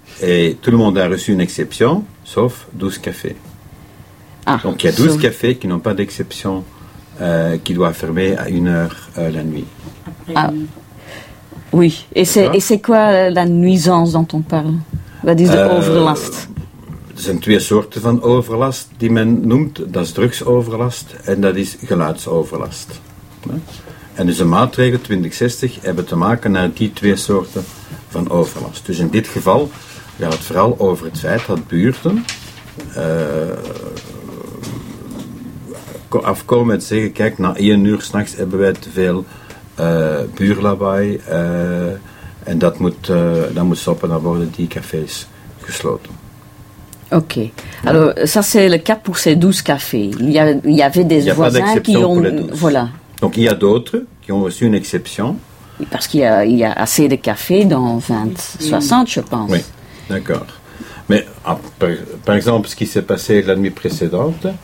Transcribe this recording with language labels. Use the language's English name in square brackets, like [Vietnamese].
[French] Et tout le monde a reçu une exception, sauf 12 cafés. Ah. Donc, il y a 12 cafés qui n'ont pas d'exception, qui doivent fermer à 1h la nuit. Après. Ah. Oui, et c'est quoi la nuisance dont on parle? [Dutch] Wat is de overlast? Er zijn twee soorten van overlast die men noemt. Dat is drugsoverlast en dat is geluidsoverlast. En dus de maatregelen 2060 hebben te maken met die twee soorten van overlast. Dus in dit geval gaat het vooral over het feit dat buurten afkomen met zeggen, kijk, na 1 uur 's nachts hebben wij te veel buurlawaai en dat moet stoppen, dan worden die cafés gesloten. Oké. [French] Alors, ça c'est le cas pour ces 12 cafés. Donc, il y a d'autres qui ont reçu une exception. Parce qu'il y a assez de cafés dans 2060, je pense. Oui, d'accord. Mais par exemple, ce qui s'est passé la nuit précédente.